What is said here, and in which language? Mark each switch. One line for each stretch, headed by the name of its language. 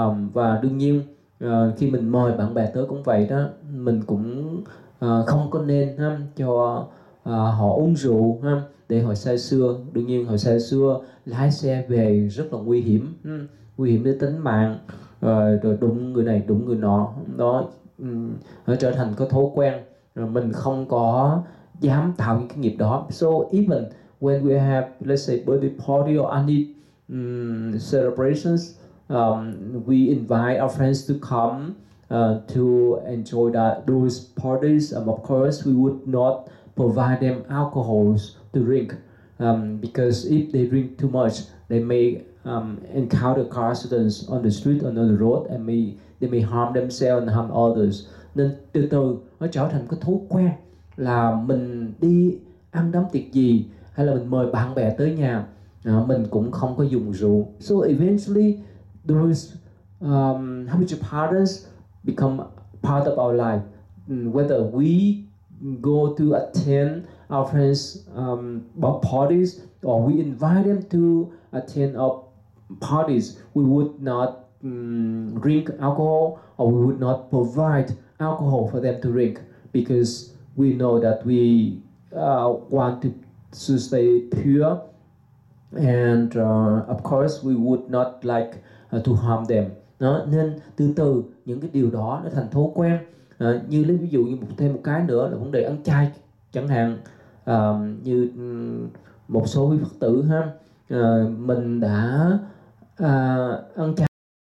Vietnamese: Và đương nhiên khi mình mời bạn bè tới cũng vậy đó, mình cũng không có nên cho họ uống rượu để họ say sưa. Đương nhiên họ say sưa lái xe về rất là nguy hiểm, nguy hiểm đến tính mạng, rồi đụng người này đụng người nọ đó, nó trở thành có thói quen, rồi mình không có dám tạo những cái nghiệp đó.
English: So even when we have, let's say, birthday party or any celebrations, we invite our friends to come to enjoy those parties, and of course we would not provide them alcohols to drink, because if they drink too much, they may encounter car accidents on the street or on the road, and they may harm themselves and harm others.
Vietnamese: Nên từ từ nó trở thành cái thói quen là mình đi ăn đám tiệc gì hay là mình mời bạn bè tới nhà, mình cũng không có dùng rượu.
English: So eventually those habitual patterns become part of our life, whether we go to attend our friends' parties or we invite them to attend our parties, we would not drink alcohol, or we would not provide alcohol for them to drink, because we know that we want to stay pure, and of course we would not like to harm them.
Vietnamese: Đó. Nên từ từ những cái điều đó nó thành thói quen. Như lấy ví dụ như thêm một cái nữa là vấn đề ăn chay chẳng hạn, như một số Phật tử mình đã ăn chay.